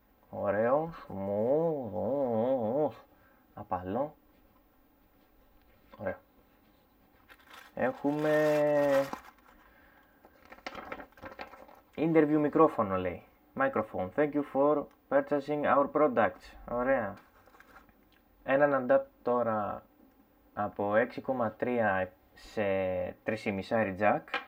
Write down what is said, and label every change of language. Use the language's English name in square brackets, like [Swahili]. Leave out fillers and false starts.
[Greek] Ωραίο, smooth, απαλό. Ωραίο. Έχουμε interview μικρόφωνο, λέει. [English] Microphone, thank you for purchasing our products. [Greek] Ωραία. Έναν adapter από 6,3 σε 3,5 jack.